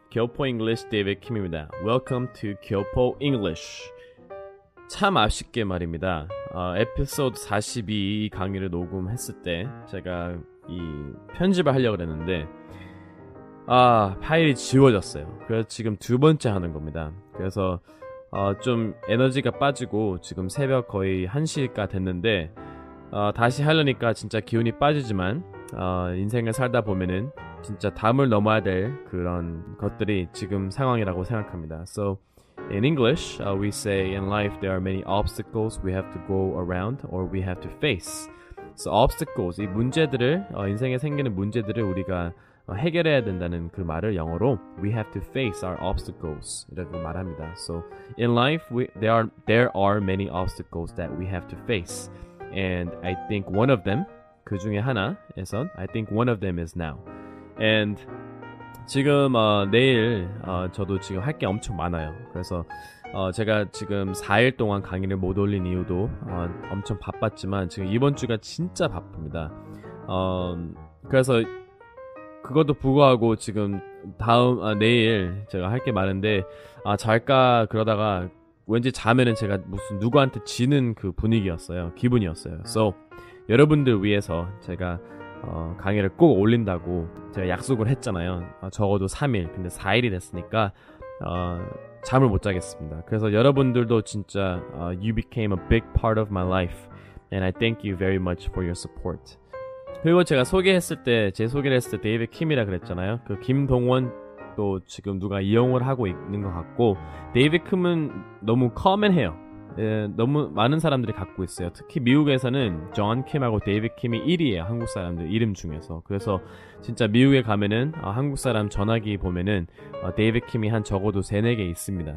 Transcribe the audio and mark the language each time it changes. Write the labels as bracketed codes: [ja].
[en] Gyeopo English David Kim입니다. Welcome to Gyeopo English. [ko] 참 아쉽게 말입니다. 에피소드 42 강의를 녹음했을 때 제가 이 편집을 하려고 했는데 파일이 지워졌어요. 그래서 지금 두 번째 하는 겁니다. 그래서 좀 에너지가 빠지고 지금 새벽 거의 1시가 됐는데 다시 하려니까 진짜 기운이 빠지지만 인생을 살다 보면은 진짜 담을 넘어야 될 그런 것들이 지금 상황이라고 생각합니다. [en] So, in English, we say in life there are many obstacles we have to go around or we have to face. [ko] So, obstacles, 이 문제들을, 인생에 생기는 문제들을 우리가 해결해야 된다는 그 말을 영어로 [en] we have to face our obstacles [ko] 이라고 말합니다. [en] So, in life, there are many obstacles that we have to face. And I think one of them, [ko] 그 중에 하나에선, [en] I think one of them is now. [ko] And 지금 내일 저도 지금 할 게 엄청 많아요. 그래서 제가 지금 4일 동안 강의를 못 올린 이유도 엄청 바빴지만 지금 이번 주가 진짜 바쁩니다. 그래서 그것도 불구하고 지금 내일 제가 할 게 많은데 잘까 그러다가 왠지 자면은 제가 무슨 누구한테 지는 그 분위기였어요. 기분이었어요. So 여러분들 위해서 제가 강의를 꼭 올린다고 제가 약속을 했잖아요. 적어도 3일, 근데 4일이 됐으니까 잠을 못 자겠습니다. 그래서 여러분들도 진짜 [en] you became a big part of my life and I thank you very much for your support. [ko] 그리고 제가 소개했을 때 제 소개를 했을 때 데이비드 킴이라 그랬잖아요. 그 김동원도 지금 누가 이용을 하고 있는 것 같고 데이비드 킴은 너무 커맨해요. 너무 많은 사람들이 갖고 있어요. 특히 미국에서는 존 킴하고 데이비드 킴이 1위예요. 한국 사람들 이름 중에서. 그래서 진짜 미국에 가면은 한국 사람 전화기 보면은 데이비드 킴이 한 적어도 3, 4개 있습니다.